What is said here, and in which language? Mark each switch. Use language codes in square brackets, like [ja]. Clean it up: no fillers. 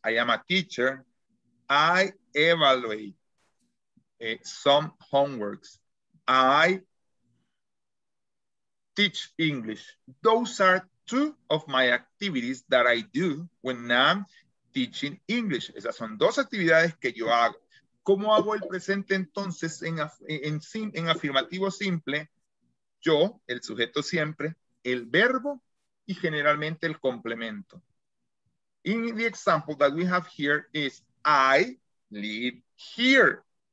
[en] I am a teacher. I evaluate some homeworks. I teach English. Those are two of my activities that I do when I'm teaching English. [es] Esas son dos actividades que yo hago. ¿Cómo hago el presente entonces en afirmativo simple? Yo, el sujeto siempre, el verbo y generalmente el complemento. [en] In the example that we have here is I live here.